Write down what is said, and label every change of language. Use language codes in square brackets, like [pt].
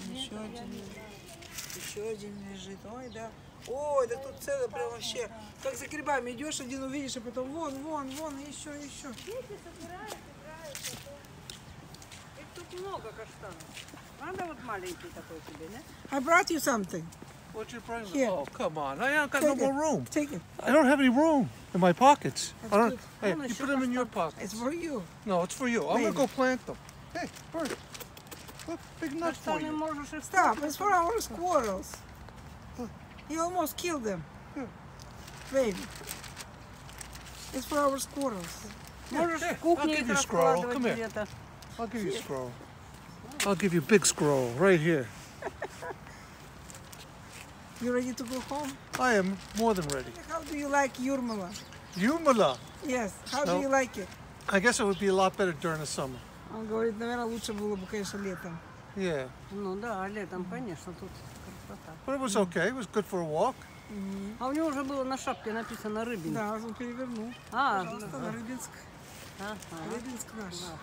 [ru] Еще нет, один лежит. Еще один лежит. Ой, да. Ой, да тут целый прям вообще. Да. Как за грибами идешь, один увидишь, а потом вон, вон, вон, еще, еще. Видите, собирают, играют, а то. Их тут много каштанов. Надо вот маленький такой тебе, не? [en] I brought you something. What's your present? Here. Oh, come on. I got take no more room. It. Take it. I don't have any room in my pockets. That's I don't, good. Hey, you put them in your pockets. It's for you. No, it's for you. Maybe. I'm going to go plant them. Hey, bird. Look, big nut for you. Stop. It's for our squirrels. He almost killed them. Here. Baby. It's for our squirrels. Here. Here. I'll give you a squirrel. Come here. I'll give you a scroll. I'll give you a big scroll right here. You ready to go home? I am more than ready. How do you like Jurmala? Jurmala? Yes. How do you like it? I guess it would be a lot better during the summer. [ru] Он говорит, наверное, лучше было бы, конечно, летом. [en] Yeah. [ru] Ну да, а летом, конечно, тут красота. [en] But it was okay. It was good for a walk. [ru] А у него уже было на шапке написано Рыбинск. Да, он перевернул. Пожалуйста, на Рыбинск. Рыбинск наш.